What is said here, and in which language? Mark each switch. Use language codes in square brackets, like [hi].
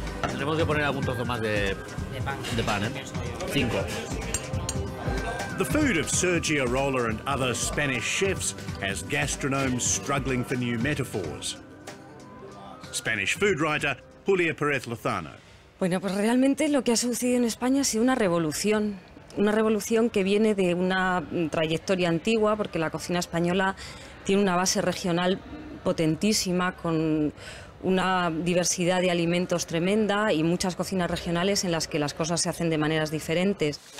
[es] Tenemos que poner algún trozo más de pan, ¿eh? Cinco. [en] The food of Sergio Rola and other Spanish chefs has gastronomes struggling for new metaphors. Spanish food writer Julia Perez Lozano. [es] Bueno, pues realmente lo que ha sucedido en España ha sido una revolución. Una revolución que viene de una trayectoria antigua, porque la cocina española tiene una base regional potentísima, con una diversidad de alimentos tremenda y muchas cocinas regionales en las que las cosas se hacen de maneras diferentes.